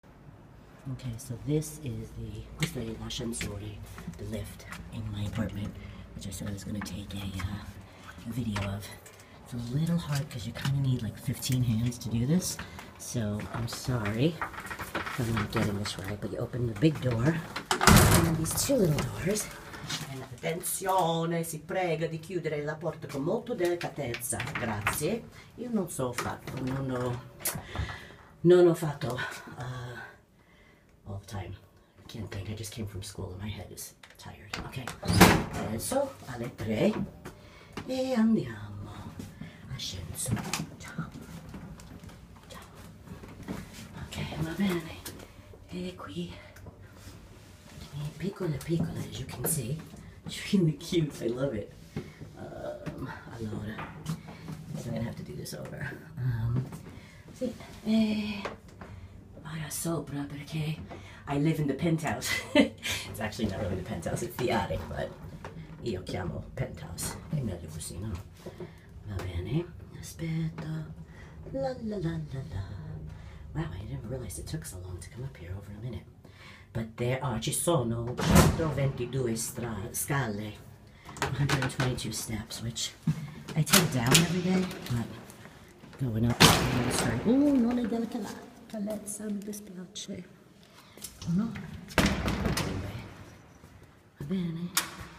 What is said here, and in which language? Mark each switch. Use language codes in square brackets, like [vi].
[en] Okay, so this is the l'ascensore, the lift in my apartment, which I said I was gonna take a video of. It's a little hard because you kind of need like 15 hands to do this, so I'm sorry if I'm not getting this right, but you open the big door and then these two little doors. [it] And attenzione, si prega di chiudere la porta con molto delicatezza, grazie. Io non so fatto, non ho fatto. [en] All the time. I can't think. I just came from school and my head is tired. [it] Okay. Adesso alle tre. E andiamo. Ascensore. Ciao. Ok, va bene. E qui. [en] Piccole, as you can see. It's really cute. I love it. [it] Allora. [en] So I'm gonna have to do this over. [it] Sì. E vai a sopra perché [en] I live in the penthouse. It's actually not really the penthouse, it's the attic, but [it] io chiamo [en] penthouse. [it] È meglio così, no? Va bene. Aspetta. La la la la la. [en] Wow, I didn't realize it took so long to come up here, over a minute. But there are, [it] ci sono 122 scale. [en] 122 steps, which I take down every day, but going up, I'm gonna start. [it] Oh, non è della calezza, mi dispiace. No? Va bene.